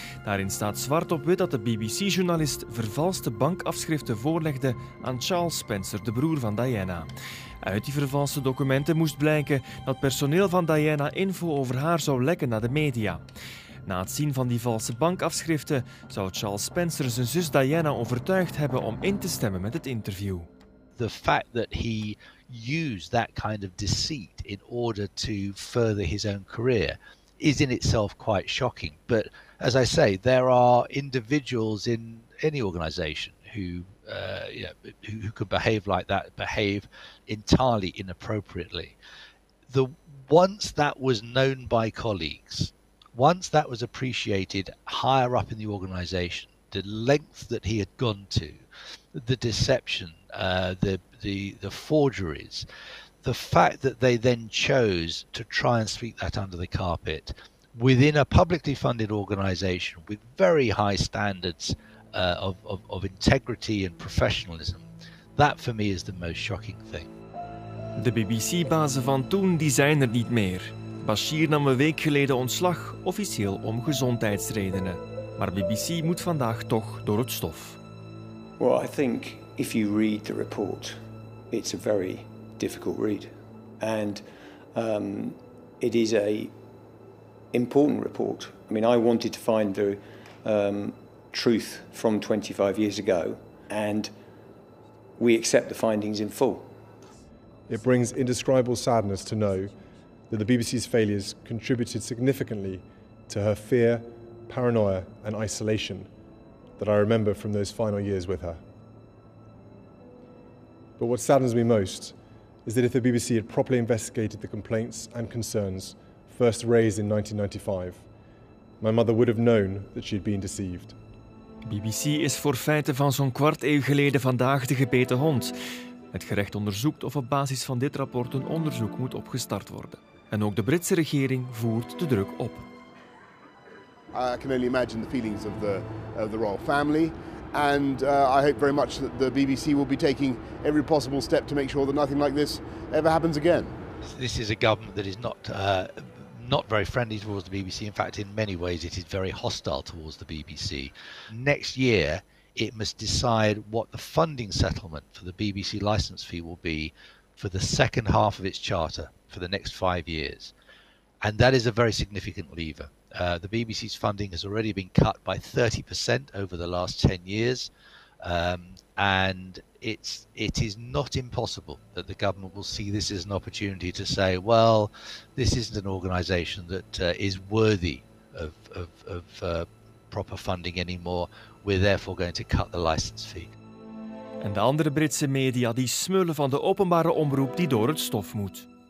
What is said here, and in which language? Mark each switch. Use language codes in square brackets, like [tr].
[nl] Daarin staat zwart op wit dat de BBC-journalist vervalste bankafschriften voorlegde aan Charles Spencer, de broer van Diana. Uit die vervalste documenten moest blijken dat personeel van Diana info over haar zou lekken naar de media. Na het zien van die valse bankafschriften zou Charles Spencer zijn zus Diana overtuigd hebben om in te stemmen met het interview. [en] The fact that he used that kind of deceit in order to further his own career is in itself quite shocking. But as I say, there are individuals in any organization who could behave like that, behave entirely inappropriately. The once that was known by colleagues. Once that was appreciated higher up in the organization, the length that he had gone to, the deception, the forgeries, the fact that they then chose to try and sweep that under the carpet within a publicly funded organization with very high standards of integrity and professionalism, that for me is the most shocking thing. [nl] De BBC-bazen van toen, die zijn er niet meer. Bashir nam een week geleden ontslag, officieel om gezondheidsredenen. maar BBC moet vandaag toch door het stof. [en] Well, I think if you read the report, it's a very difficult read. And it is a important report. I mean, I wanted to find the truth from 25 years ago, and we accept the findings in full. It brings indescribable sadness to know that the BBC's failures contributed significantly to her fear, paranoia and isolation that I remember from those final years with her. But what saddens me most is that if the BBC had properly investigated the complaints and concerns first raised in 1995, my mother would have known that she had been deceived. [nl] BBC is voor feiten van zo'n kwart eeuw geleden vandaag de gebeten hond. Het gerecht onderzoekt of op basis van dit rapport een onderzoek moet opgestart worden. En ook de Britse regering voert de druk op. [en] I can only imagine the feelings of the royal family. And I hope very much that the BBC will be taking every possible step to make sure that nothing like this ever happens again. This is a government that is not very friendly towards the BBC. In fact, in many ways, it is very hostile towards the BBC. Next year, it must decide what the funding settlement for the BBC licence fee will be for the second half of its charter for the next 5 years. And that is a very significant lever. The BBC's funding has already been cut by 30% over the last 10 years. And it is not impossible that the government will see this as an opportunity to say, well, this isn't an organisation that is worthy of proper funding anymore. We're therefore going to cut the licence fee. [nl] En de andere Britse media die smullen van de openbare omroep die door het stof moet.